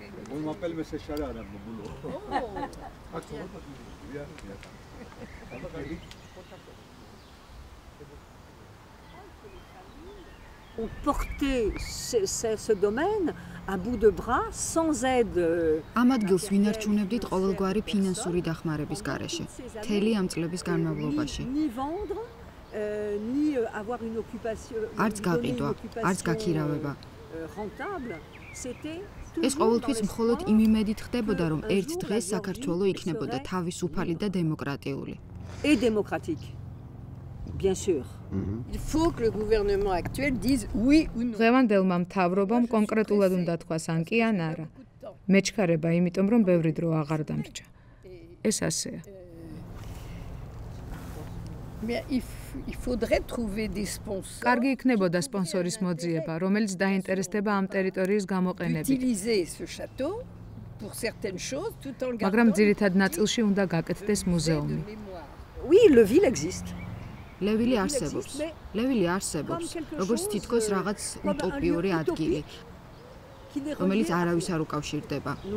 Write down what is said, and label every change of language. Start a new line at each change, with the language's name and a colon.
French: Mon m'appelle monsieur Chara à mon boulot. Oh. On portait ce domaine à bout de bras sans aide.
Georgian: Ამადგილს ვინარჩუნებდით ყოველგვარი ფინანსური დახმარების გარეშე. მთელი ამ წლების განმავლობაში.
French: Ni vendre ni avoir une occupation.
Georgian: Არც გაყიდვა, არც გაქირავება.
French: Rentable, c'était
Georgian: ეს ყოველთვის მხოლოდ იმ იმედით ხდებოდა, რომ ერთ დღეს საქართველოს იქნებოდა თავისუფალი და დემოკრატიული.
French: Et démocratique. Bien sûr. Il faut que le gouvernement actuel dise oui ou non.
Georgian: Ღევანდელმა მთავრობამ კონკრეტულად უნდა თქვას ან კი ან არა. მეჩქარება, იმიტომ რომ ბევრი დრო აღარ დამრჩა. ეს ასეა.
French: Mais il faudrait trouver des sponsors.
Georgian: Კარგი იქნებოდა სპონსორის მოძიება, რომელიც დაინტერესდება ამ ტერიტორიის გამოყენებით.
French: Utiliser ce château pour certaines choses tout en gardant.
Georgian: მაგრამ ძირითად ნაწილში უნდა გაკეთდეს მუზეუმი.
French: Oui, le ville existe.
Georgian: ლევილი არსებობს. ლევილი არსებობს, როგორც თითქოს რაღაც უტოპიური ადგილი, რომელიც არავის არ უკავშირდება.